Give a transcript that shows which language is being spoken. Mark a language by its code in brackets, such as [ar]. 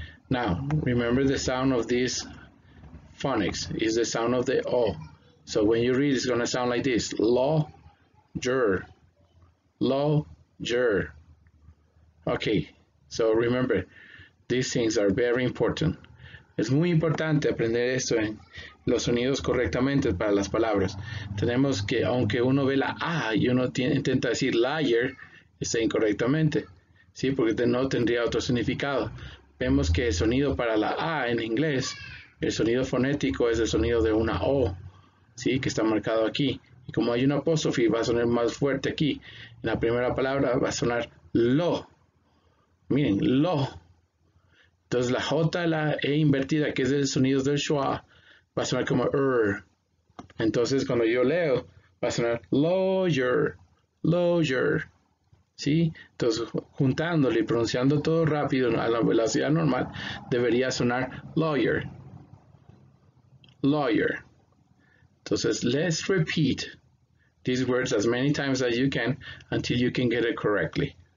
[en] Now, remember the sound of this phonics is the sound of the O. So when you read, it's going to sound like this, law-ger, law-ger. Okay, so remember, these things are very important. [es] Es muy importante aprender esto en los sonidos correctamente para las palabras. Tenemos que, aunque uno ve la A y uno intenta decir liar, está incorrectamente. Sí, porque no tendría otro significado. Vemos que el sonido para la A en inglés, el sonido fonético es el sonido de una O, sí, que está marcado aquí. Y como hay una apóstrofe, va a sonar más fuerte aquí. En la primera palabra va a sonar lo. Miren, lo. Entonces la J, la E invertida, que es el sonido del schwa, va a sonar como R. Entonces cuando yo leo, va a sonar [en] lawyer, lawyer. [es] ¿Sí? Entonces juntándolo y pronunciando todo rápido a la velocidad normal, debería sonar [en] lawyer, lawyer. [es] Entonces, [en] let's repeat these words as many times as you can until you can get it correctly.